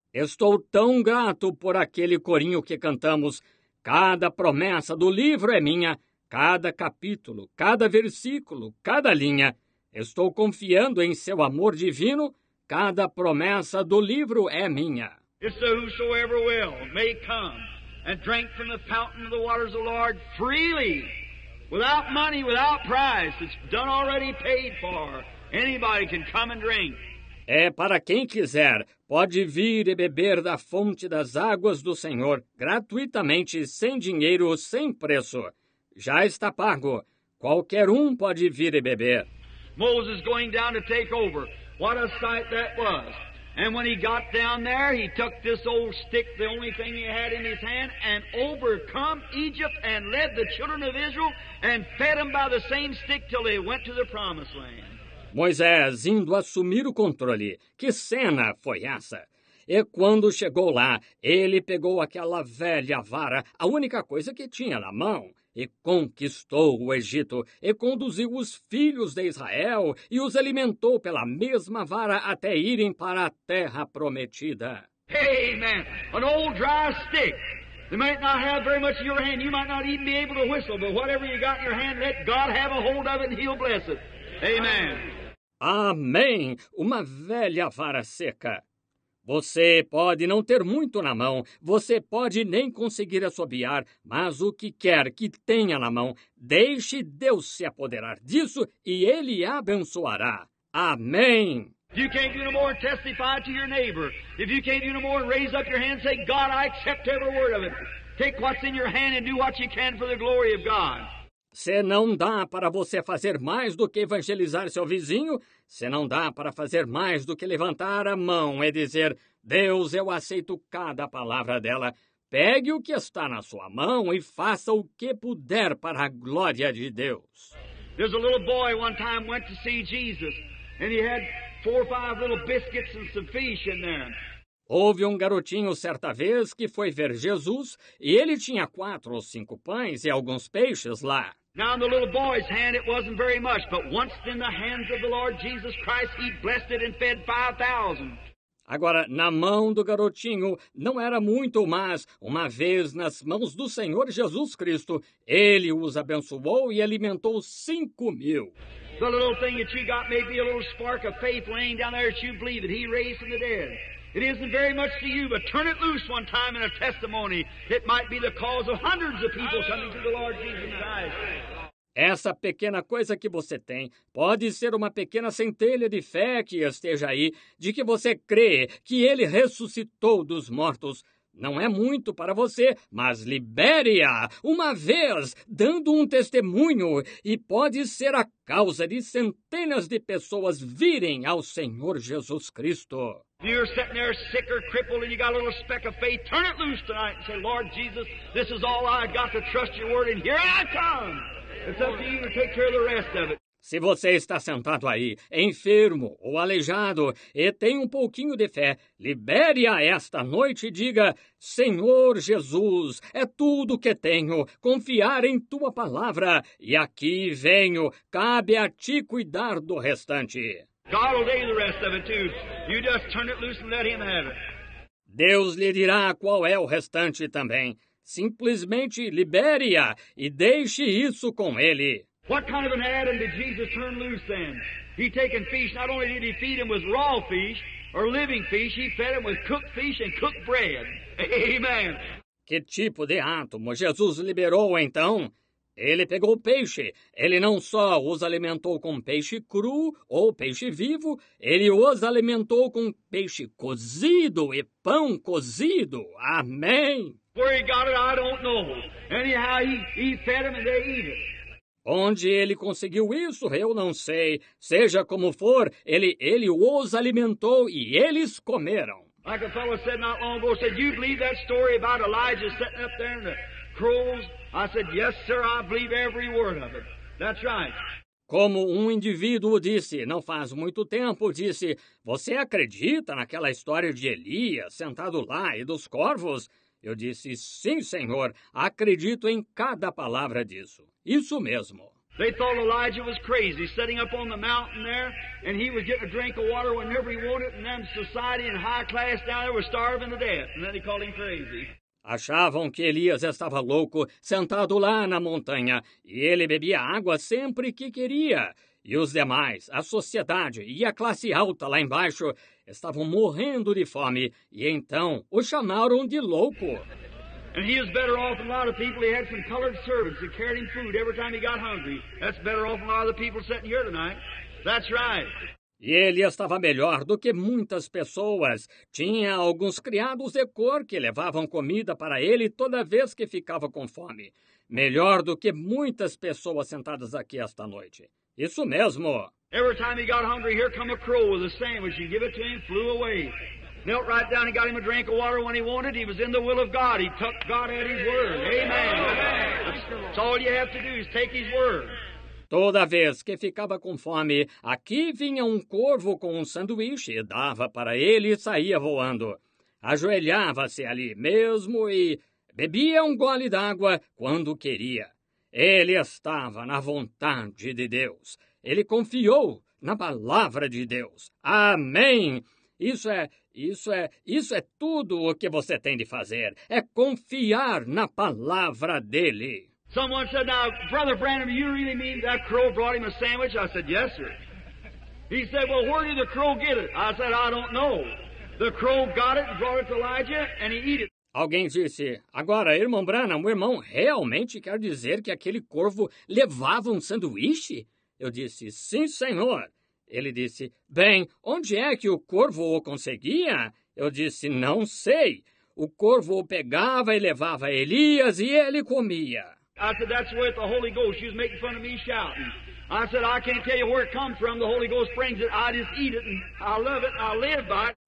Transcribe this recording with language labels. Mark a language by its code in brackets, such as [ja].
[pt] Estou tão grato por aquele corinho que cantamos, cada promessa do livro é minha, cada capítulo, cada versículo, cada linha. Estou confiando em seu amor divino. Cada promessa do livro é minha. [en] It's the whosoever will may come and drink from the fountain of the waters of the Lord freely, without money, without price. It's done already paid for. Anybody can come and drink. [pt] É para quem quiser, pode vir e beber da fonte das águas do Senhor, gratuitamente, sem dinheiro, sem preço. Já está pago. Qualquer um pode vir e beber. [en] Moses going down to take over. What a sight that was. And when he got down there, he took this old stick, the only thing he had in his hand, and overcome Egypt and led the children of Israel and fed them by the same stick till they went to the promised land. [pt] Moisés indo assumir o controle. Que cena foi essa? E quando chegou lá, ele pegou aquela velha vara, a única coisa que tinha na mão, e conquistou o Egito, e conduziu os filhos de Israel, e os alimentou pela mesma vara até irem para a terra prometida. [en] Amen. An old dry stick. You might not have very much in your hand. You might not even be able to whistle, but whatever you got in your hand, let God have a hold of it and He'll bless it. Amen. [pt] Amém. Uma velha vara seca. Você pode não ter muito na mão, você pode nem conseguir assobiar, mas o que quer que tenha na mão, deixe Deus se apoderar disso e Ele abençoará. Amém! [en] You can't do no more and testify to your neighbor. If you can't do no more and raise up your hand and say, God, I accept every word of it. Take what's in your hand and do what you can for the glory of God. [pt] Se não dá para você fazer mais do que evangelizar seu vizinho, se não dá para fazer mais do que levantar a mão e dizer, Deus, eu aceito cada palavra dela, pegue o que está na sua mão e faça o que puder para a glória de Deus. [en] There's a little boy one time went to see Jesus, and he had four or five little biscuits and some fish in there. [pt] Houve um garotinho certa vez que foi ver Jesus e ele tinha quatro ou cinco pães e alguns peixes lá. [en] Now in the little boy's hand it wasn't very much, but once in the hands of the Lord Jesus Christ he blessed it and fed 5,000. [pt] Agora, na mão do garotinho não era muito, mas uma vez nas mãos do Senhor Jesus Cristo, ele os abençoou e alimentou 5,000. [en] The little thing that you got may be a little spark of faith laying down there that you believe that he raised from the dead. It isn't very much to you, but turn it loose one time in a testimony. It might be the cause of hundreds of people coming to the Lord Jesus Christ. [pt] Essa pequena coisa que você tem pode ser uma pequena centelha de fé que esteja aí, de que você crê que ele ressuscitou dos mortos. Não é muito para você, mas libere-a uma vez, dando um testemunho, e pode ser a causa de centenas de pessoas virem ao Senhor Jesus Cristo. [en] You're sitting there sick or crippled and you got a little speck of faith, turn it loose tonight and say, Lord Jesus, this is all I got to trust your word and here I come. It's up to you to take care of the rest of it. [pt] Se você está sentado aí, enfermo ou aleijado, e tem um pouquinho de fé, libere-a esta noite e diga, Senhor Jesus, é tudo que tenho, confiar em tua palavra, e aqui venho, cabe a ti cuidar do restante. [en] God will take the rest of it too. You just turn it loose and let him have it. [pt] Deus lhe dirá qual é o restante também. Simplesmente libere-a e deixe isso com ele. [en] What kind of an Adam did Jesus turn loose then? He taken fish, not only did he feed him with raw fish, or living fish, he fed him with cooked fish and cooked bread. Amen. [pt] Que tipo de átomo Jesus liberou então? Ele pegou peixe. Ele não só os alimentou com peixe cru ou peixe vivo, ele os alimentou com peixe cozido e pão cozido. Amém. [en] Where he got it, I don't know. Anyhow, he fed them and they eat it. [pt] Onde ele conseguiu isso, eu não sei. Seja como for, ele os alimentou e eles comeram. [en] Like a fellow said not long ago, said, you believe that story about Elijah sitting up there in the crows? I said, yes, sir, I believe every word of it. That's right. [pt] Como um indivíduo disse, não faz muito tempo, disse, você acredita naquela história de Elias sentado lá e dos corvos? Eu disse, sim, senhor, acredito em cada palavra disso. Isso mesmo. [en] They thought Elijah was crazy, sitting up on the mountain there, and he was getting a drink of water whenever he wanted, and then society and high class down there was starving to death, and then they called him crazy. [pt] Achavam que Elias estava louco, sentado lá na montanha, e ele bebia água sempre que queria. E os demais, a sociedade e a classe alta lá embaixo, estavam morrendo de fome, e então o chamaram de louco. [en] And he was better off than a lot of people. He had some colored servants that carried him food every time he got hungry. That's better off than a lot of the people sitting here tonight. That's right. [pt] E ele estava melhor do que muitas pessoas. Tinha alguns criados de cor que levavam comida para ele toda vez que ficava com fome. Melhor do que muitas pessoas sentadas aqui esta noite. Isso mesmo. [en] Every time he got hungry, here come a crow with a sandwich. You give it to him, flew away. Knelt right down and got him a drink of water when he wanted. He was in the will of God. He took God at his word. Amen. That's all you have to do is take his word. [pt] Toda vez que ficava com fome, aqui vinha um corvo com um sanduíche e dava para ele e saía voando. Ajoelhava-se ali mesmo e bebia um gole d'água quando queria. Ele estava na vontade de Deus. Ele confiou na palavra de Deus. Amém. Isso é tudo o que você tem de fazer. É confiar na palavra dele. [en] Someone said, now, Brother Branham, you really mean that crow brought him a sandwich? I said, yes, sir. He said, well, where did the crow get it? I said, I don't know. The crow got it and brought it to Elijah, and he ate it. [pt] Alguém disse, agora, irmão Branham, o irmão realmente quer dizer que aquele corvo levava um sanduíche? Eu disse, sim, senhor. Ele disse, bem, onde é que o corvo o conseguia? Eu disse, não sei. O corvo o pegava e levava a Elias e ele comia. [en] I said, that's with the Holy Ghost. She was making fun of me shouting. I said, I can't tell you where it comes from. The Holy Ghost brings it. I just eat it and I love it and I live by it.